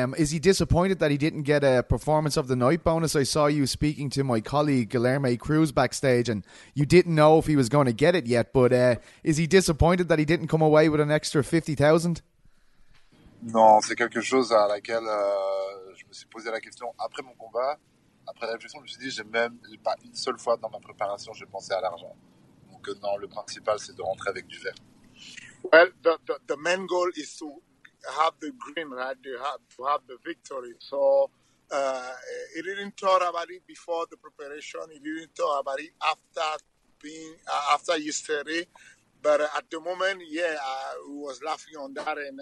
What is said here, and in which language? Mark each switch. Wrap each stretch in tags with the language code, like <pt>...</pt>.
<en>Is he disappointed that he didn't get a performance of the night bonus? I saw you speaking to my colleague Guilherme Cruz backstage, and you didn't know if he was going to get it yet. But is he disappointed that he didn't come away with an extra 50,000?</en> <fr>Non, c'est quelque chose à laquelle je me suis posé la question après mon combat. Après la réflexion, je me suis dit, pas une seule fois dans ma préparation, j'ai pensé à l'argent. Donc non, le principal, c'est de rentrer avec du vert.</fr> <en>Well, the main goal is to have the green, right? To have the victory. So he didn't thought about it before the preparation. He didn't thought about it after yesterday. But at the moment, I was laughing on that.</en>